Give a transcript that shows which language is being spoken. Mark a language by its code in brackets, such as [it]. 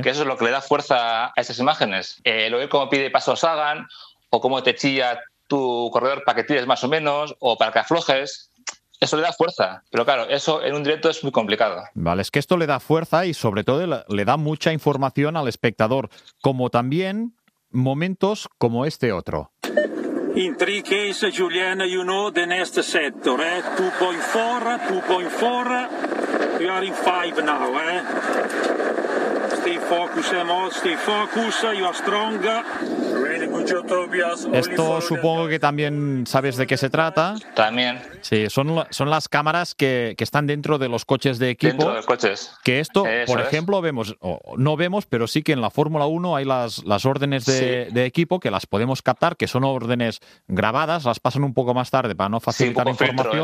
[es] Que eso es lo que le da fuerza a esas imágenes. El oír cómo pide paso Sagan, o cómo te chilla tu corredor para que tires más o menos, o para que aflojes, eso le da fuerza. Pero claro, eso en un directo es muy complicado. Vale, es que esto le da fuerza y sobre todo le da mucha información al espectador, como también momentos como este otro. [en] In three cases, Julien, you know the next sector, 2.4, we are in 5 now, Stay focused, Mod, stay focused, you are strong. Really good job, Tobias. [es] Esto supongo que también sabes de qué se trata. También. Sí, son las cámaras que están dentro de los coches de equipo. Dentro de los coches. Que esto, por ejemplo, vemos, no vemos, pero sí que en la Fórmula 1 hay las órdenes de equipo que las podemos captar, que son órdenes grabadas, las pasan un poco más tarde para no facilitar información.